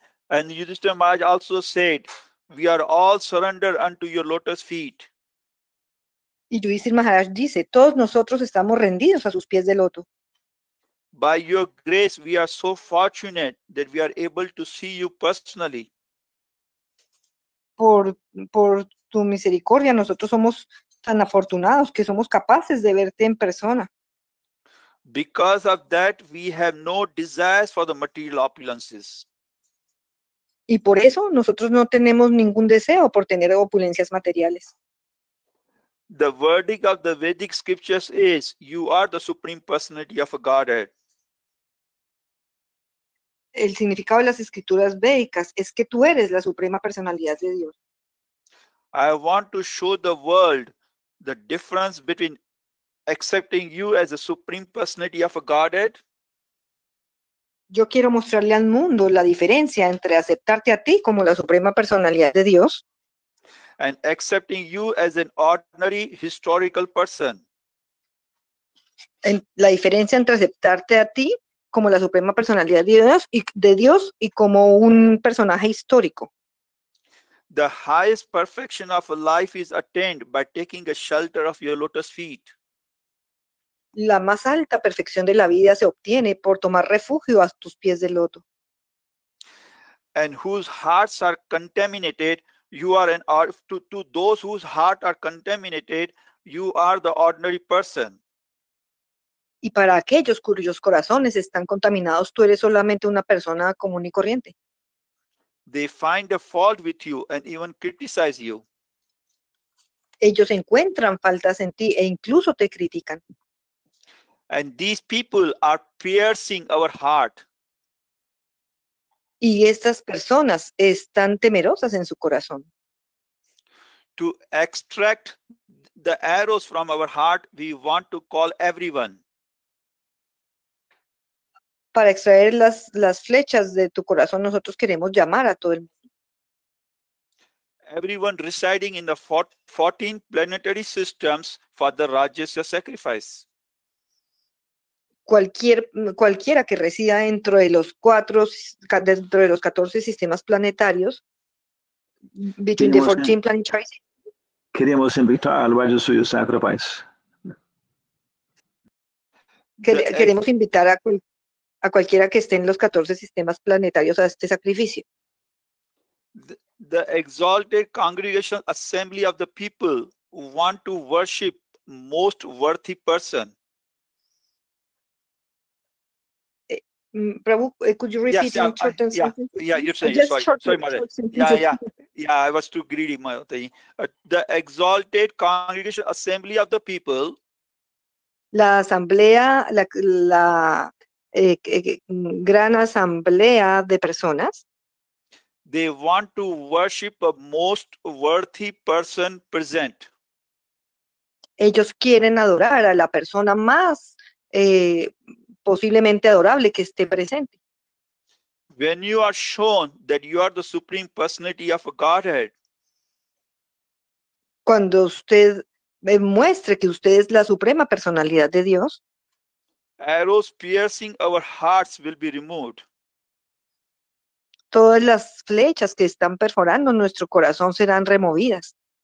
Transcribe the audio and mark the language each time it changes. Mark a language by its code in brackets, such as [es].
[en] And Yudhishthira Maharaj also said, we are all surrendered unto your lotus feet. [es] Y Yudhishthira Maharaj dice, todos nosotros estamos rendidos a sus pies de loto. [en] By your grace, we are so fortunate that we are able to see you personally. [es] Por tu misericordia, nosotros somos tan afortunados que somos capaces de verte en persona. [en] Because of that, we have no desires for the material opulences. [es] Y por eso, nosotros no tenemos ningún deseo por tener opulencias materiales. [en] The verdict of the Vedic scriptures is, you are the supreme personality of a Godhead. [es] El significado de las escrituras védicas es que tú eres la suprema personalidad de Dios. [en] I want to show the world the difference between accepting you as the supreme personality of a Godhead. [es] Yo quiero mostrarle al mundo la diferencia entre aceptarte a ti como la suprema personalidad de Dios. [en] And accepting you as an ordinary historical person. [es] La diferencia entre aceptarte a ti como la suprema personalidad de Dios y como un personaje histórico. [en] The highest perfection of life is attained by taking a shelter of your lotus feet. [es] La más alta perfección de la vida se obtiene por tomar refugio a tus pies de loto. [en] And whose hearts are contaminated. You are an to those whose heart are contaminated, you are the ordinary person. [es] Y para aquellos cuyos corazones están contaminados, tú eres solamente una persona común y corriente. [en] They find a fault with you and even criticize you. [es] Ellos encuentran faltas en ti e incluso te critican. [en] And these people are piercing our heart. [es] Y estas personas están temerosas en su corazón. [en] To extract the arrows from our heart, we want to call everyone. [es] Para extraer las flechas de tu corazón, nosotros queremos llamar a todo el mundo. [en] Everyone residing in the 14 planetary systems for the Rajasya sacrifice. [es] Cualquiera que resida dentro de los 14 sistemas planetarios, [en] between the 14 planetary systems, [es] queremos invitar al Rajasya sacrifice. Queremos invitar a cualquiera que esté en los 14 sistemas planetarios a este sacrificio. [en] The exalted congregational assembly of the people who want to worship most worthy person. Prabhu, could you repeat in short and simple? Yeah, you're saying, sorry, Mother. Yeah, I was too greedy, Mother. The exalted congregational assembly of the people. [es] La asamblea, gran asamblea de personas. [en] They want to worship a most worthy person present. [es] Ellos quieren adorar a la persona más posiblemente adorable que esté presente. [en] When you are shown that you are the supreme personality of a Godhead. [es] Cuando usted muestre que usted es la suprema personalidad de Dios. [en] Arrows piercing our hearts will be removed. [es] Todas las flechas que están perforando nuestro corazón serán removidas.